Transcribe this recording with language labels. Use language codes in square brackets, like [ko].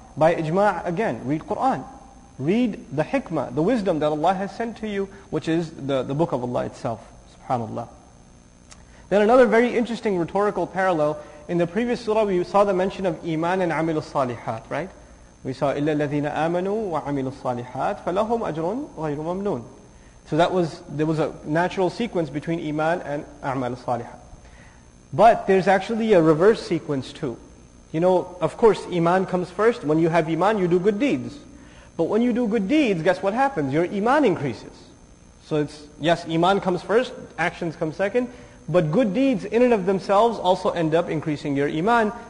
[en] By ijma' again, read Qur'an. Read the hikmah, the wisdom that Allah has sent to you, which is the book of Allah itself. SubhanAllah. Then another very interesting rhetorical parallel. In the previous surah, we saw the mention of iman and amilu salihat, right? We saw [ar] إِلَّا الَّذِينَ آمَنُوا وَعَمِلُوا الصَّالِحَاتِ فَلَهُمْ أَجْرٌ غَيْرُ مَمْنُونَ. [en] So there was a natural sequence between iman and amal salihat. But there's actually a reverse sequence too. You know, of course, iman comes first. When you have iman, you do good deeds. But when you do good deeds, guess what happens? Your iman increases. So it's, yes, iman comes first, actions come second, but good deeds in and of themselves also end up increasing your iman.